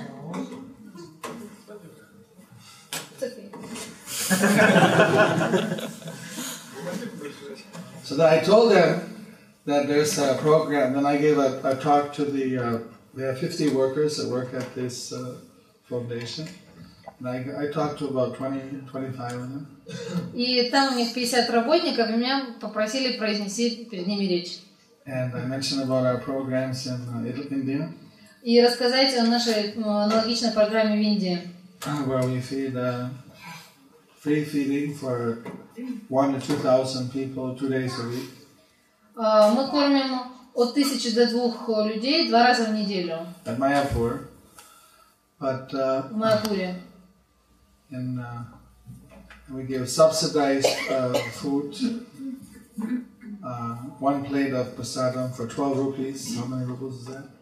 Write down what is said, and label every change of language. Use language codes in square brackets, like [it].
[en] It's okay. So that I told them that there's a program. Then I gave a talk to the there are 50 workers that work at this foundation. I talked to about 20-25 of them. [ru] И там у них 50 работников, и меня попросили произнести перед ними речь. [en] And I mentioned about our programs in India. [ru] И рассказать о нашей аналогичной программе в Индии. [en] Where we feed free feeding for 1 to 2,000 people 2 days a week. [ru] Мы кормим от 1000 до 2000 людей 2 раза в неделю. [en] At Mayapur. But [ru] в Майапуре. [en] And we give subsidized food, one plate of prasadam for 12 rupees. How many rupees is that?